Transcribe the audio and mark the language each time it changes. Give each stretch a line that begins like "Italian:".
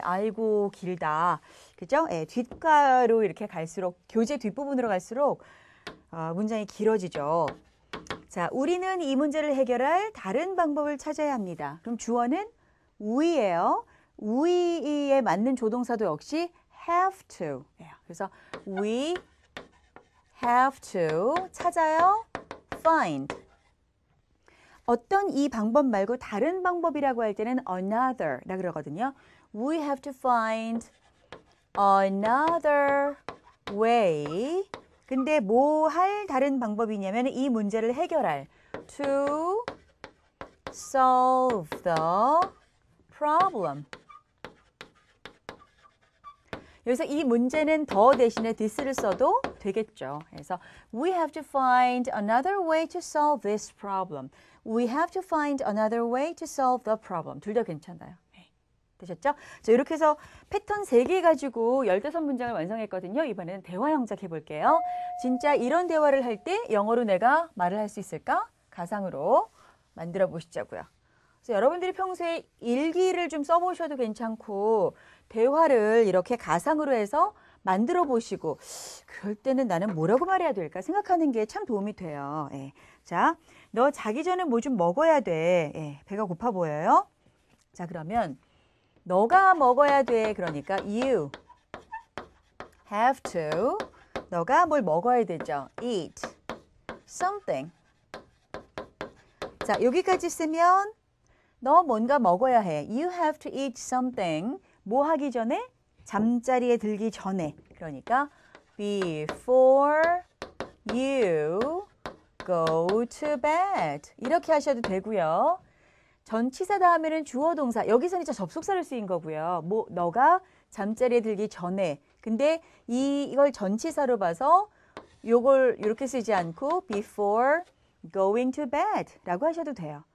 Korean: 아이고, 길다. 그죠? 예. 네, 뒷가로 이렇게 갈수록, 교재 뒷부분으로 갈수록 문장이 길어지죠. 자, 우리는 이 문제를 해결할 다른 방법을 찾아야 합니다. 그럼 주어는 we예요. we에 맞는 조동사도 역시 have to예요. 그래서
English: we have to
Korean: 찾아요.
English: find.
Korean: 어떤 이 방법 말고 다른 방법이라고 할 때는 another라 그러거든요.
English: We have to find another way.
Korean: 근데 뭐할 다른 방법이냐면 이 문제를 해결할
English: to solve the problem.
Korean: 여기서 이 문제는 더 대신에 this를 써도 되겠죠. 그래서
English: we have to find another way to solve this problem. We have to find another way to solve the problem.
Korean: 둘다 괜찮아요. 되셨죠? 자, 이렇게 해서 패턴 3개 가지고 15문장을 완성했거든요. 이번에는 대화 형작 해볼게요. 진짜 이런 대화를 할때 영어로 내가 말을 할수 있을까? 가상으로 만들어 보시자고요. 그래서 여러분들이 평소에 일기를 좀 써보셔도 괜찮고, 대화를 이렇게 가상으로 해서 만들어 보시고, 그럴 때는 나는 뭐라고 말해야 될까? 생각하는 게참 도움이 돼요. 예. 자, 너 자기 전에 뭐좀 먹어야 돼. 예. 배가 고파 보여요? 자, 그러면 너가 먹어야 돼. 그러니까
English: you have to.
Korean: 너가 뭘 먹어야 되죠?
English: Eat something.
Korean: 자, 여기까지 쓰면 너 뭔가 먹어야 해.
English: You have to eat something.
Korean: 뭐 하기 전에? 잠자리에 들기 전에. 그러니까
English: before you go to bed.
Korean: 이렇게 하셔도 되고요. 전치사 다음에는 주어 동사. 여기서는 이제 접속사를 쓰인 거고요. 뭐, 너가 잠자리에 들기 전에. 근데 이걸 전치사로 봐서 요걸 이렇게 쓰지 않고
English: before going to bed
Korean: 라고 하셔도 돼요.